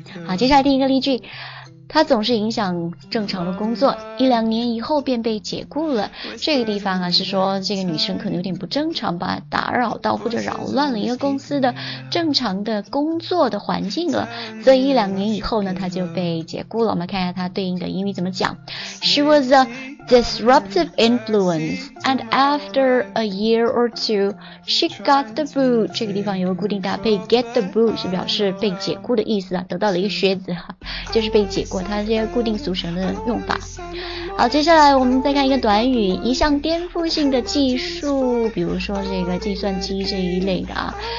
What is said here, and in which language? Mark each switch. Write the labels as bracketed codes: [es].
[zh] 好，接下来第一个例句，它总是影响正常的工作，一两年以后便被解雇了。这个地方啊，是说这个女生可能有点不正常吧，打扰到或者扰乱了一个公司的正常的工作的环境了，所以一两年以后呢，她就被解雇了。我们看一下它对应的英语怎么讲。 [en] She was a disruptive influence and after a year or two she got the boot. [zh] 这个地方有个固定搭配， get the boot 是表示被解雇的意思啊，得到了一个靴子，就是被解雇，它是一个固定俗成的用法。好，接下来我们再看一个短语，一项颠覆性的技术，比如说这个计算机这一类的啊。